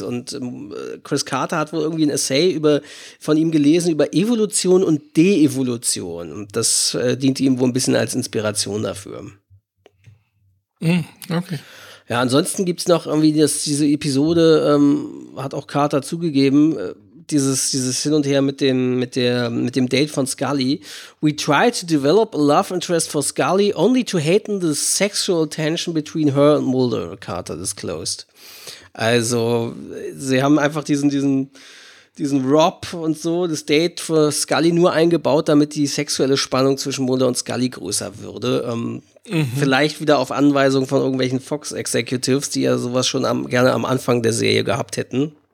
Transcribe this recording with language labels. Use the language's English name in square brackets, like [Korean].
[German] Und Chris Carter hat wohl irgendwie ein Essay von ihm gelesen über Evolution und Deevolution. Und das diente ihm wohl ein bisschen als Inspiration dafür. Okay. Ja, ansonsten gibt es noch irgendwie diese Episode, hat auch Carter zugegeben, dieses Hin und Her mit dem Date von Scully. [English] We tried to develop a love interest for Scully, only to hasten the sexual tension between her and Mulder, Carter disclosed. [German] Also, sie haben einfach diesen Rob und so, das Date für Scully nur eingebaut, damit die sexuelle Spannung zwischen Mulder und Scully größer würde. Vielleicht wieder auf Anweisung von irgendwelchen Fox-Executives, die ja sowas schon gerne am Anfang der Serie gehabt hätten.